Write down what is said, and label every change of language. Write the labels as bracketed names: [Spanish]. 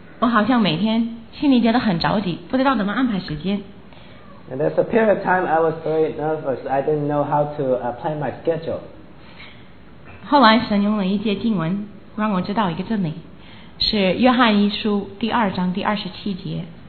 [Chinese] 我好像每天心里觉得很着急，不知道怎么安排时间。 [English] And there's a period of time I was very nervous. I didn't know how to plan my schedule. [Chinese] 后来神用了一节经文，让我知道一个真理，是约翰一书第二章第二十七节。